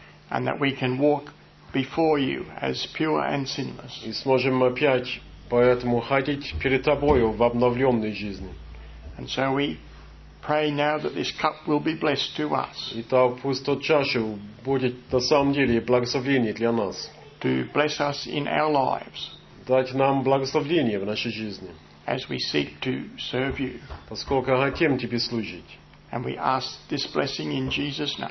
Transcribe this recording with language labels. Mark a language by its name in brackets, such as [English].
[English] And that we can walk before you as pure and sinless. [Russian] И сможем опять поэтому ходить перед тобою в обновленной жизни. [English] And so we pray now that this cup will be blessed to us. [Russian] И та пустая чаша будет на самом деле благословение для нас. [English] To bless us in our lives. [Russian] Дать нам благословение в нашей жизни. [English] As we seek to serve you. [Russian] Поскольку хотим тебе служить. [English] And we ask this blessing in Jesus' name.